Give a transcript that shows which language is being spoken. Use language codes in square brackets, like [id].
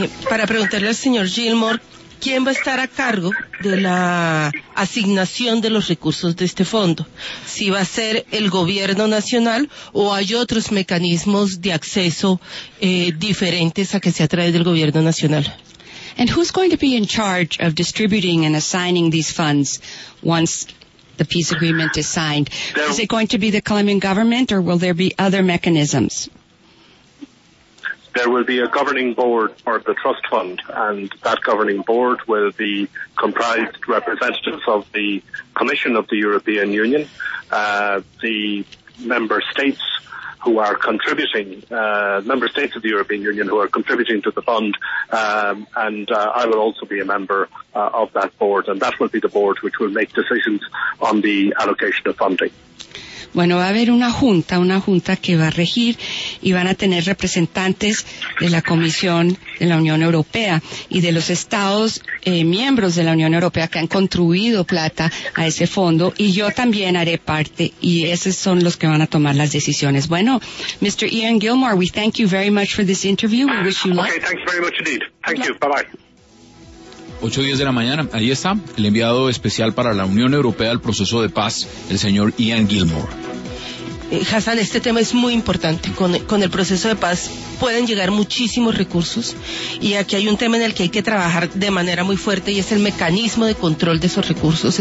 [es] Para preguntarle al señor Gilmore, ¿quién va a estar a cargo de la asignación de los recursos de este fondo? ¿Si va a ser el gobierno nacional o hay otros mecanismos de acceso diferentes a que sea a través del gobierno nacional? [en] And who's going to be in charge of distributing and assigning these funds once the peace agreement is signed? Is it going to be the Colombian government or will there be other mechanisms? There will be a governing board for the trust fund, and that governing board will be comprised representatives of the Commission of the European Union, the member states who are contributing, member states of the European Union who are contributing to the fund, and I will also be a member of that board, and that will be the board which will make decisions on the allocation of funding. [es] Bueno, va a haber una junta que va a regir y van a tener representantes de la Comisión de la Unión Europea y de los Estados miembros de la Unión Europea que han contribuido plata a ese fondo y yo también haré parte y esos son los que van a tomar las decisiones. Bueno, [en] Mr. Ian Gilmore, we thank you very much for this interview. We wish you luck. Okay, thanks very much indeed. Thank you. Bye-bye. [es] 8:10 de la mañana, ahí está el enviado especial para la Unión Europea al proceso de paz, el señor Ian Gilmore. Hassan, este tema es muy importante. Con el proceso de paz pueden llegar muchísimos recursos y aquí hay un tema en el que hay que trabajar de manera muy fuerte y es el mecanismo de control de esos recursos.